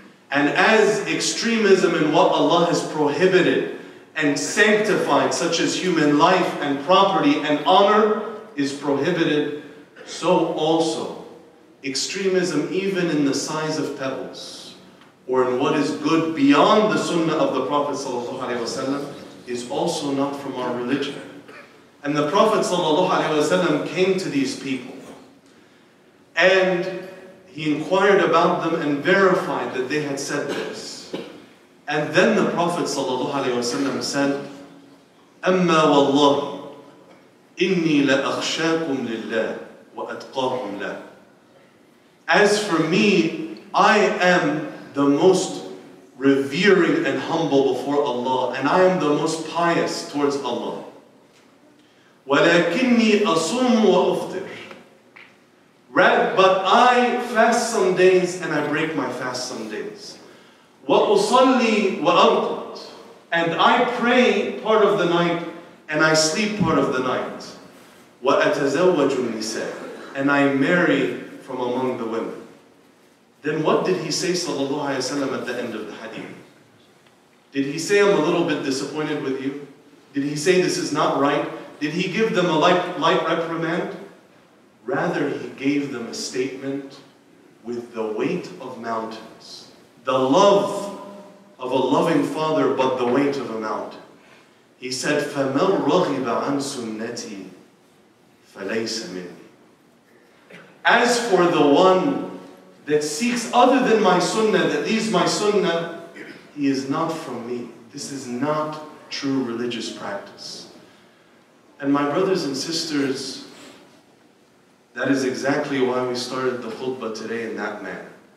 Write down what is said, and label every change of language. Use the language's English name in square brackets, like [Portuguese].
[English] And as extremism in what Allah has prohibited and sanctified, such as human life and property and honor, is prohibited, so also extremism, even in the size of pebbles, or in what is good beyond the sunnah of the Prophet ﷺ, is also not from our religion. And the Prophet ﷺ came to these people and he inquired about them and verified that they had said this. And then the Prophet ﷺ said, [Arabic] أَمَّا وَاللَّهِ إِنِّي لَأَخْشَاكُمْ لِلَّهِ وَأَتْقَاكُمْ لَهِ. [English] As for me, I am the most revering and humble before Allah, and I am the most pious towards Allah. [Arabic] وَلَكِنِّي أَصُومُ وَأُفْتِرُ. [English] But I fast some days and I break my fast some days. [Arabic] وَأُصَلِّي وَأَرْقُدُ. [English] And I pray part of the night and I sleep part of the night. [Arabic] وَأَتَزَوَّجُ النِّسَاءَ. [English] And I marry from among the women. Then what did he say, sallallahu alayhi wa sallam, at the end of the hadith? Did he say, I'm a little bit disappointed with you? Did he say, this is not right? Did he give them a light reprimand? Rather, he gave them a statement with the weight of mountains, the love of a loving father, but the weight of a mountain. He said, [Arabic] فَمَنْ رَغِبَ عَنْ سُنَّتِي فَلَيْسَ مِنِّي. [English] As for the one that seeks other than my sunnah, that leaves my sunnah, he is not from me. This is not true religious practice. And my brothers and sisters, that is exactly why we started the khutbah today in that manner.